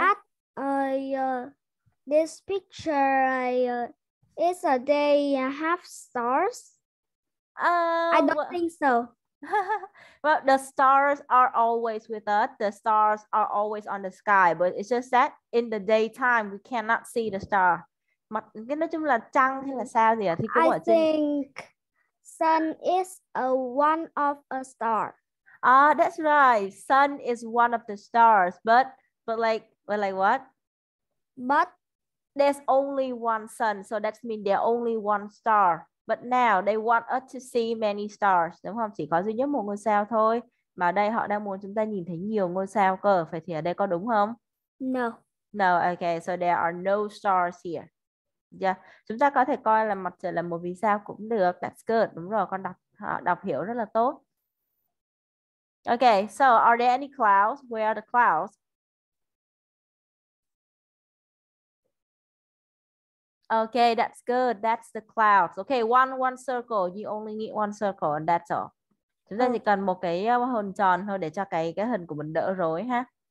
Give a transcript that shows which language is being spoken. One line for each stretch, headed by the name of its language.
English: At this picture, it's a day half stars. I don't think so. Well, the stars are always with us. The stars are always on the sky. But it's just that in the daytime, we cannot see the star.
Vietnamese: Mặt, cái nói chung là trăng hay là sao gì à, thì cũng
English: I
Vietnamese: ở trên.
English: think sun is a one of a star. That's right. Sun is one of the stars. But like what? But There's only one sun, so that means there's only one star. But now they want us to see many stars.
Vietnamese: Đúng không? Chỉ có duy nhất một ngôi sao thôi. Mà ở đây họ đang muốn chúng ta nhìn thấy nhiều ngôi sao cơ. Vậy thì ở đây có đúng không?
English: No. No, okay. So there are no stars here. Yeah.
Vietnamese: Chúng ta có thể coi là mặt trời là một vì sao cũng được.
English: That's good.
Vietnamese: Đúng rồi. Con đọc họ đọc hiểu rất là tốt.
English: Okay. So are there any clouds? Where are the clouds? Okay, that's good. That's the clouds. Okay, one circle. You only need one circle and that's all.
Vietnamese: Chúng ta chỉ cần một cái hình tròn thôi để cho cái hình của mình đỡ rối ha.